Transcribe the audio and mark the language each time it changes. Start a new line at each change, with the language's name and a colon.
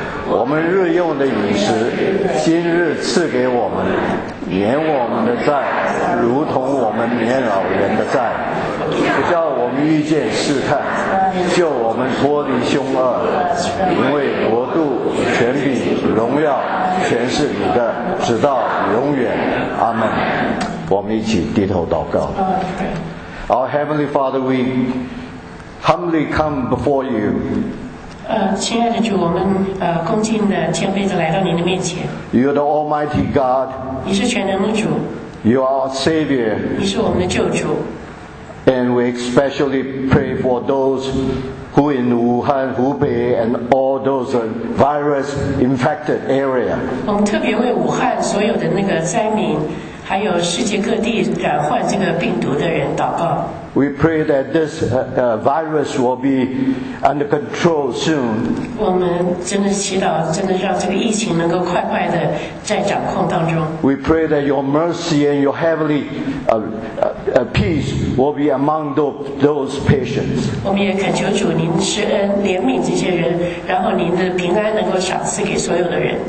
Chinese: 我们日用的饮食，今日赐给我们，免我们的债，如同我们免老人的债，不叫我们遇见试探，救我们脱离凶恶，因为国度、权柄、荣耀全是你的，直到永远。阿们。我们一起低头祷告。
English: Our Heavenly Father, we humbly come before you.
Chinese: 亲爱的主，我们恭敬的谦卑的来到您的面前。
English: You are the Almighty God.
Chinese: 你是全能的主。
English: You are our Savior.
Chinese: 你是我们的救主。
English: And we especially pray for those who in Wuhan, Hubei, and all those virus-infected area.
Chinese: 我们特别为武汉所有的那个灾民，还有世界各地染患这个病毒的人祷告。
English: We pray that this virus will be under control soon.
Chinese: 我们真的祈祷，真的让这个疫情能够快快的在掌控当中。
English: We pray that your mercy and your heavenly peace will be among those patients.
Chinese: 我们也恳求主，您施恩怜悯这些人，然后您的平安能够赏赐给所有的人。